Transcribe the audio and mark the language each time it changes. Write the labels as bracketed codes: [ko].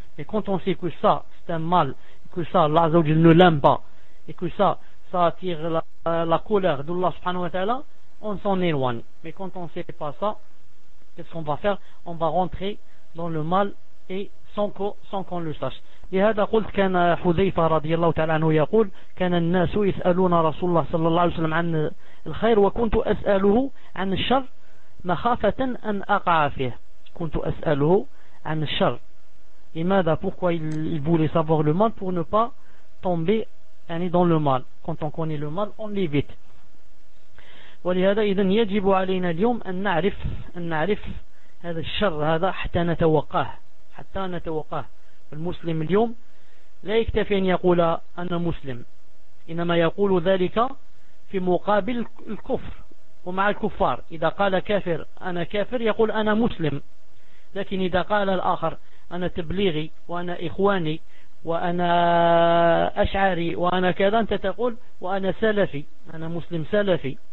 [fr] Mais quand on sait que ça, c'est un mal, que ça, Allah Azza wa Jalla ne l'aime pas, et que ça attire la colère d'Allah subhanahu wa ta'ala, on s'en éloigne. Mais quand on sait pas ça, qu'est-ce qu'on va faire? On va rentrer dans le mal et sans qu'on le sache. [ar] لهذا قلت كان حذيفة رضي الله تعالى عنه يقول كان الناس يسألون رسول الله صلى الله عليه وسلم عن الخير وكنت أسأله عن الشر مخافة أن أقع فيه. كنت أسأله عن الشر. لماذا؟ [fr] pourquoi il voulait savoir le mal pour ne pas tomber dans le mal. quand on connaît le mal on l'évite. [ar] ولهذا إذن يجب علينا اليوم أن نعرف هذا الشر هذا حتى نتوقاه، حتى نتوقاه. المسلم اليوم لا يكتفي أن يقول أنا مسلم، إنما يقول ذلك في مقابل الكفر ومع الكفار. إذا قال كافر أنا كافر يقول أنا مسلم، لكن إذا قال الآخر أنا تبليغي وأنا إخواني وأنا أشعري وأنا كذا، أنت تقول وأنا سلفي، أنا مسلم سلفي.